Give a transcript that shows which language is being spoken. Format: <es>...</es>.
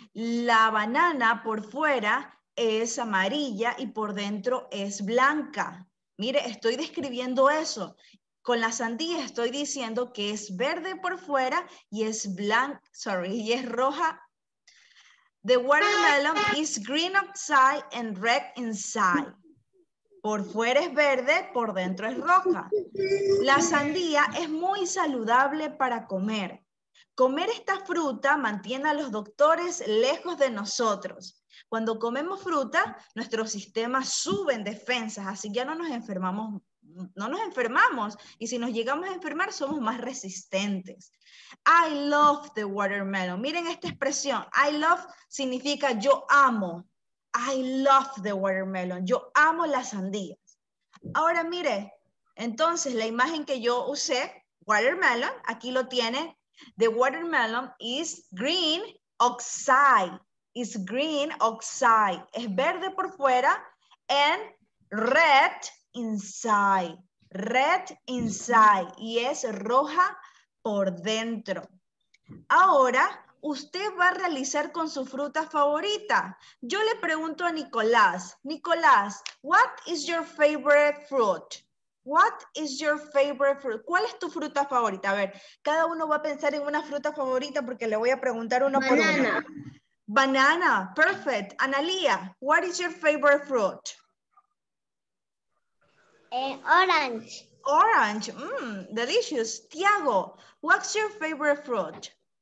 <es>La banana por fuera es amarilla y por dentro es blanca. Mire, estoy describiendo eso. Con la sandía estoy diciendo que es verde por fuera y es blanca, sorry, y es roja.</es> <en>The watermelon is green outside and red inside.</en> <es>Por fuera es verde, por dentro es roja. La sandía es muy saludable para comer. Comer esta fruta mantiene a los doctores lejos de nosotros. Cuando comemos fruta, nuestro sistema sube en defensas, así ya no nos enfermamos, no nos enfermamos. Y si nos llegamos a enfermar, somos más resistentes.</es> <en>I love the watermelon.</en> <es>Miren esta expresión. I love significa yo amo.</es> <en>I love the watermelon.</en> <es>Yo amo las sandías. Ahora mire, entonces la imagen que yo usé, watermelon, aquí lo tiene.</es> <en>The watermelon is green outside. Is green outside.</en> <es>Es verde por fuera</es> <en>and red inside. Red inside.</en> <es>Y es roja por dentro. Ahora, usted va a realizar con su fruta favorita. Yo le pregunto a Nicolás.</es> <en>Nicolás, what is your favorite fruit? What is your favorite fruit?</en> <es>¿Cuál es tu fruta favorita? A ver, cada uno va a pensar en una fruta favorita porque le voy a preguntar uno por uno.</es> <en>Banana. Banana, perfect. Analia, what is your favorite fruit? Orange. Orange, mmm, delicious. Tiago, what's your favorite fruit?</en>